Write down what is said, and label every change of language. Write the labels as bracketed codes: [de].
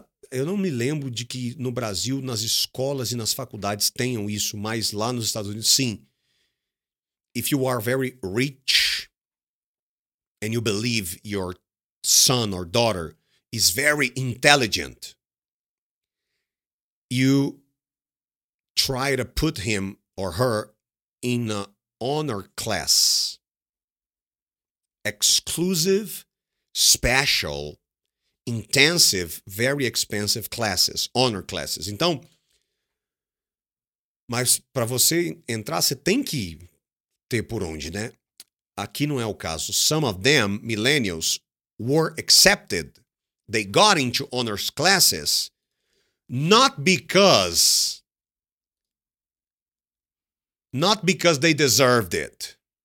[pt] Eu não me lembro de que no Brasil, nas escolas e nas faculdades tenham isso, mas lá nos Estados Unidos, sim. [en] If you are very rich and you believe your son or daughter is very intelligent, you try to put him or her in an honor class. Exclusive, special, intensive, very expensive classes, honor classes. [pt] Então, mas para você entrar, você tem que ter por onde, né? Aqui não é o caso. [en] Some of them, millennials, were accepted. They got into honors classes not because they deserved it.